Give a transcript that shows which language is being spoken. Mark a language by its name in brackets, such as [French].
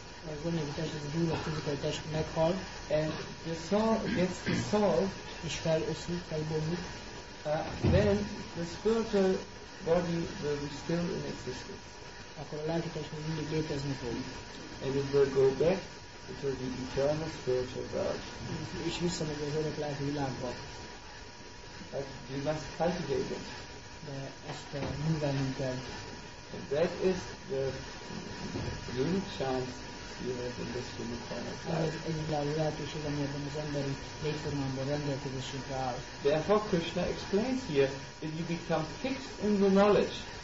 [Hungarian] az anyagi test, ez a gyúló fizikai test meghal, [English] and the soul gets dissolved, [Hungarian] és feloszlik, felbomlik, [English] then the spiritual body will be still in existence. [Hungarian] Akkor a lelki test még mindig létezni fog. [English] And it will go back to the eternal spiritual world. [Hungarian] És visszamegy az örök lelki világba. [English] But we must cultivate it. [Hungarian] De ezt művelnünk kell. [English] And that is the unique chance you have in this human form of life. [Hungarian] Ez egy lelki lehetőség, ami ebben az emberi létformában rendelkezésünkre áll. [English] Therefore Krishna explains here that you become fixed in the knowledge.